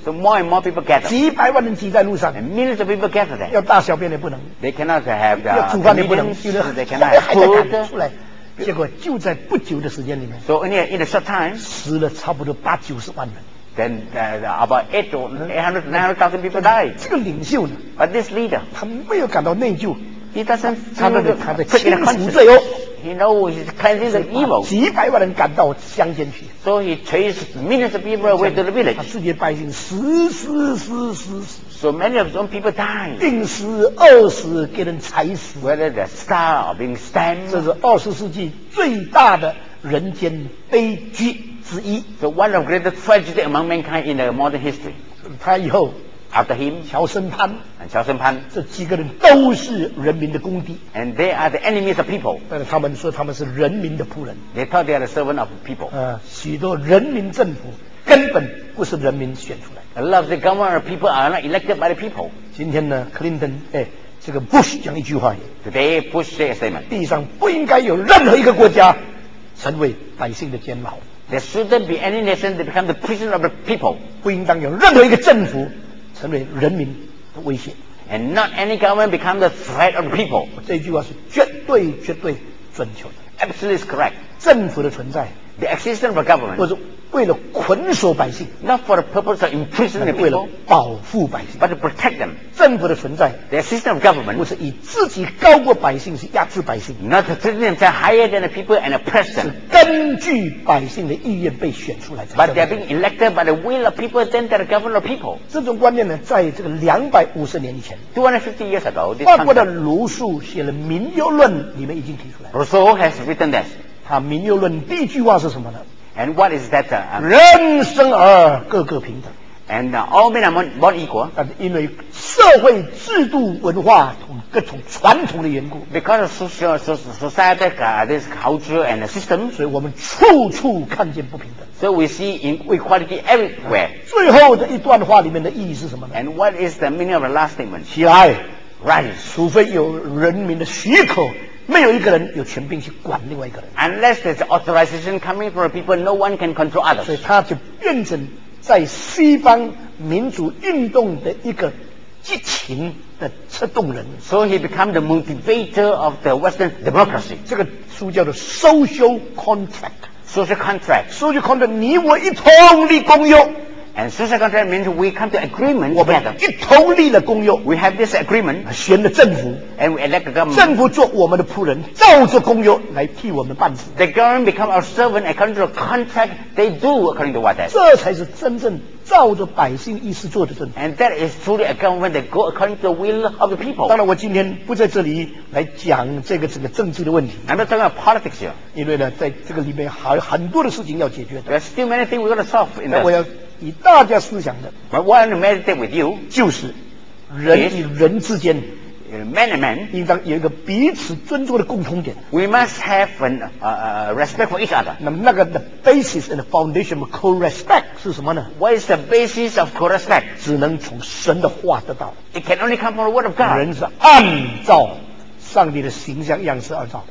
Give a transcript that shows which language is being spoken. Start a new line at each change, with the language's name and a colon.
English: So more and more people gather.
Chinese: 几百万人挤在路上。
English: And millions of people gather there.
Chinese: 要大小便也不能。
English: They cannot have the.
Chinese: 要煮饭也不能。
English: They cannot have food.
Chinese: 还在赶出来。结果就在不久的时间里面。
English: So only in a short time.
Chinese: 死了差不多八九十万人。
English: Then about 800,000 people die.
Chinese: 这个领袖呢？
English: But this leader.
Chinese: 他没有感到内疚。
English: He doesn't feel the consequences. He knows he's cleansing the evil.
Chinese: 几百万人赶到乡间去。
English: So he chased millions of people away to the village.
Chinese: 他自己的百姓死死死死死。
English: So many of those people died.
Chinese: 病死、饿死、给人踩死。
English: Whether they're starved or being stabbed.
Chinese: 这是二十世纪最大的人间悲剧之一。
English: So one of greatest tragedy among mankind in the modern history.
Chinese: 他以后。
English: After him,
Chinese: 乔森潘
English: and 乔森潘，
Chinese: 这几个人都是人民的公敌。
English: And they are the enemies of people.
Chinese: 但是他们说他们是人民的仆人。
English: They thought they are the servant of people.
Chinese: 许多人民政府根本不是人民选出来。
English: A lot of the government people are not elected by the people.
Chinese: 今天呢 ，Clinton， 哎，这个 Bush 讲一句话。
English: Today Bush said a statement.
Chinese: 地上不应该有任何一个国家成为百姓的监牢。
English: There shouldn't be any nation that become the prison of the people.
Chinese: 不应当有任何一个政府。成为人民的威胁
English: and not any government become the threat of people.
Chinese: 这句话是绝对绝对准确的
English: absolutely is correct.
Chinese: 政府的存在
English: the existence of government
Chinese: 或者为了捆锁百姓
English: not for the purpose of imprisoning people
Chinese: 为了保护百姓
English: but to protect them.
Chinese: 政府的存在
English: the existence of government
Chinese: 不是以自己高过百姓是压制百姓
English: not to treat themselves higher than the people and oppress them.
Chinese: 是根据百姓的意愿被选出来的
English: but they are being elected by the will of people then they are governed of people.
Chinese: 这种观念呢在这个250年以前
English: 250 years ago
Chinese: 法国的卢梭写了民忧论里面已经提出来
English: Rousseau has written this.
Chinese: 他民忧论第一句话是什么呢
English: And what is that?
Chinese: 人生而各个平等。
English: And all men are born equal.
Chinese: 但是因为社会制度文化从各种传统的缘故。
English: Because of society, this culture and system.
Chinese: 所以我们处处看见不平等。
English: So we see inequality everywhere.
Chinese: 最后的一段话里面的意义是什么呢
English: ？And what is the meaning of the last statement?
Chinese: 起来
English: ，rise，
Chinese: 除非有人民的许可。没有一个人有权柄去管另外一个人。
English: Unless there's authorization coming from people, no one can control others.
Chinese: 所以他就变成在西方民主运动的一个激情的策动人。
English: So he became the motivator of the Western democracy.
Chinese: 这个书叫做 Social Contract.
English: Social Contract.
Chinese: Social Contract, 你我一同立公约。
English: And social contract means we come to agreement
Chinese: together. 我们一同立了公约。
English: We have this agreement.
Chinese: 选了政府。
English: And we elect the government.
Chinese: 政府做我们的仆人，照着公约来替我们办事。
English: The government become our servant according to the contract they do according to what that.
Chinese: 这才是真正照着百姓意思做的政府。
English: And that is truly a government that go according to the will of the people.
Chinese: 当然，我今天不在这里来讲这个整个政治的问题。
English: I'm not talking about politics here.
Chinese: 因为呢，在这个里面还有很多的事情要解决的。
English: There's still many things we got to solve in this.
Chinese: 以大家思想的
English: But what I want to meditate with you
Chinese: 就是人与人之间
English: many men,
Chinese: 应当有一个彼此尊重的共同点。
English: We must have an respect for each other.
Chinese: 那么那个
English: the basis and the foundation of co-respect
Chinese: 是什么呢？
English: What is the basis of co-respect?
Chinese: 只能从神的话得到。
English: It can only come from the word of God.
Chinese: 人是按照上帝的形象样式而造。